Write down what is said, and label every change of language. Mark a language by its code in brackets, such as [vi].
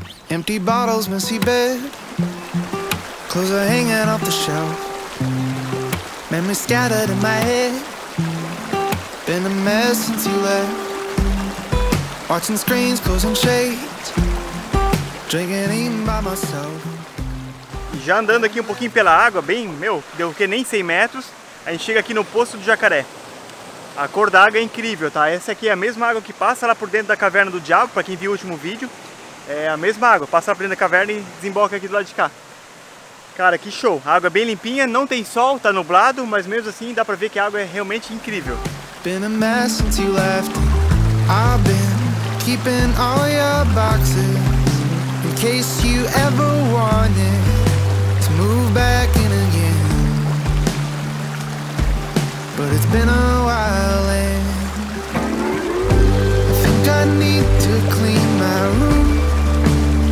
[en] Empty bottles, messy bed, clothes are hanging off the shelf, memories scattered in my head, been a mess since you left, watching screens, closing shades, drinking in by myself. [pt] Já andando aqui um pouquinho pela água, bem, meu, deu o que, nem 100 metros, a gente chega aqui no Poço do Jacaré. A cor da água é incrível, tá? Essa aqui é a mesma água que passa lá por dentro da Caverna do Diabo, pra quem viu o último vídeo. É a mesma água, passa pra dentro da caverna e desemboca aqui do lado de cá. Cara, que show! A água é bem limpinha, não tem sol, tá nublado, mas mesmo assim dá pra ver que a água é realmente incrível. [en] Been a mess since you left. I've been keeping all your boxes in case you ever wanted to move back in again. But it's been a while and I think I need to clean my room.